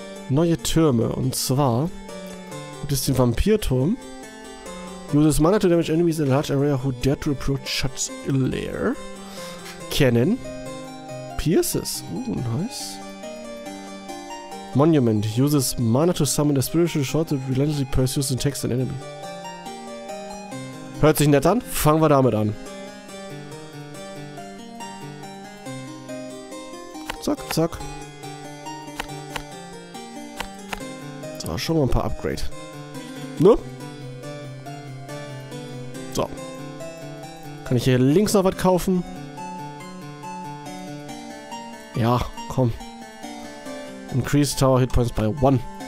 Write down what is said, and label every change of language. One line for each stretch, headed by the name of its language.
German: neue Türme. Und zwar gibt es den Vampirturm.
English: Uses mana to damage enemies in a large area who dare to approach Shut's Lair. Cannon. Pierces. Nice. Monument. Uses mana to summon a spiritual sword that relentlessly pursues and attacks an enemy.
German: Hört sich nett an? Fangen wir damit an. Zack, zack. So, schon mal ein paar Upgrade. Ne? So. Kann ich hier links noch was kaufen? Ja, komm.
English: Increase Tower Hitpoints by 1.